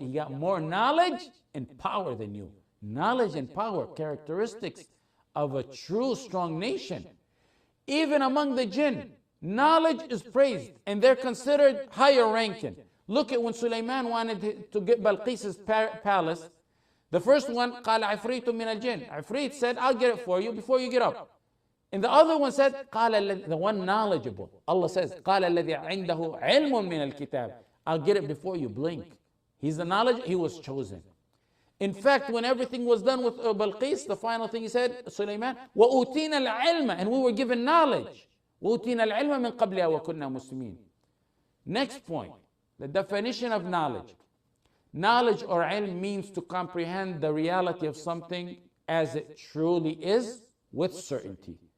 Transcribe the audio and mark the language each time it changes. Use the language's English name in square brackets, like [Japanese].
[English] He got more knowledge and power than you. Knowledge and power, characteristics of a true strong nation. Even among the jinn, knowledge is praised and they're considered higher ranking. Look at when Sulaiman wanted to get Balqis's palace. The first one, [Arabic] قال عفريت من الجن. [English] Ifrit said, I'll get it for you before you get up. And the other one said, قال the one knowledgeable. Allah says, [Arabic] قال الذي عنده علم من الكتاب. [English] I'll get it before you blink. He's the knowledge, he was chosen. In fact, when everything was done with Balqis, the final thing he said, Sulaiman, [Arabic] وَأُوتِينَ الْعِلْمَ. [English] And we were given knowledge. [Arabic] وَأُوتِينَ الْعِلْمَ مِنْ قَبْلِهَا وَكُنَّا مُسْلِمِينَ. [English] Next point, the definition of knowledge. Knowledge or ilm means to comprehend the reality of something as it truly is with certainty.